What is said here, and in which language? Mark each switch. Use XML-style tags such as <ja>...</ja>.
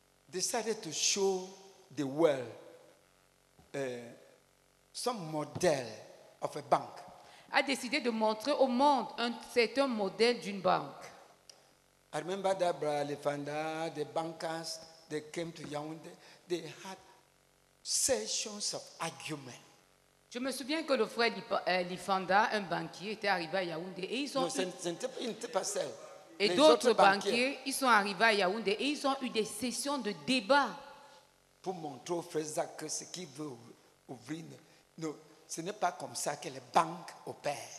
<en>decided to show the world some model of a bank.</en> <fr>A décidé de montrer au monde un certain modèle d'une banque.</fr> <en>I remember that brother Lefanda, the bankers, they came to Yaoundé. They had sessions of argument.</en> <fr>Je me souviens que le frère Lefanda, un banquier, était arrivé à Yaoundé et ils ont. Il n'était pas seul. Et les d'autres banquiers, ils sont arrivés à Yaoundé et ils ont eu des sessions de débat. Pour montrer au frère Zach que ce qu'il veut ouvrir, non, ce n'est pas comme ça que les banques opèrent.</fr>